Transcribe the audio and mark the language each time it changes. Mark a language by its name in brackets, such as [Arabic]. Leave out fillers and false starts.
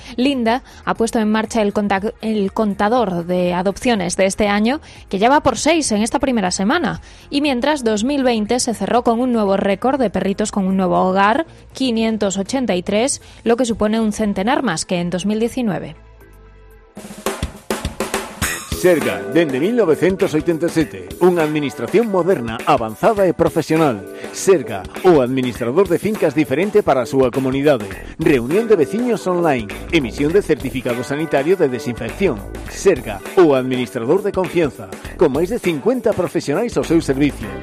[Spanish] Linda ha puesto en marcha el contador de adopciones de este año, que ya va por 6 en esta primera semana. Y mientras 2020 se cerró con un nuevo récord de perritos con un nuevo hogar, 583, lo que supone un centenar más que en 2019. [Galician] Serga, dende 1987, unha administración moderna, avanzada e profesional. Serga, o administrador de fincas diferente para a súa comunidade. Reunión de veciños online, emisión de certificado sanitario de desinfección. Serga, o administrador de confianza, con máis de 50 profesionais ao seu servicio.